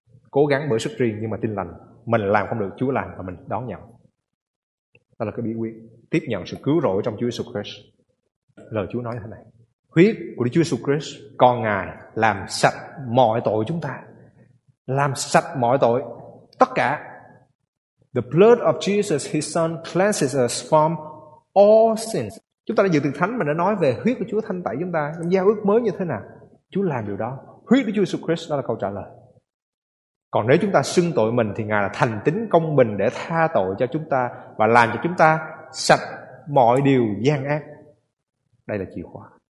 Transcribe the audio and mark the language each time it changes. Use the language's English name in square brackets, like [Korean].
[Vietnamese] Cố gắng bởi sức riêng, nhưng mà tin lành mình làm không được, Chúa làm và mình đón nhận. Đó là cái bí quyết tiếp nhận sự cứu rỗi trong Chúa Jesus Christ. Lời Chúa nói như thế này: huyết của Chúa Jesus Christ, con Ngài làm sạch mọi tội chúng ta. Làm sạch mọi tội, tất cả. [English] The blood of Jesus, his son, cleanses us from all sins. [Vietnamese] Chúng ta đã dự từ thánh mà đã nói về huyết của Chúa thanh tẩy chúng ta, giao ước mới như thế nào. Chúa làm điều đó. Huyết của Chúa Jesus Christ, đó là câu trả lời. Còn nếu chúng ta xưng tội mình thì Ngài là thành tín công bình để tha tội cho chúng ta và làm cho chúng ta sạch mọi điều gian ác. Đây là chìa khóa.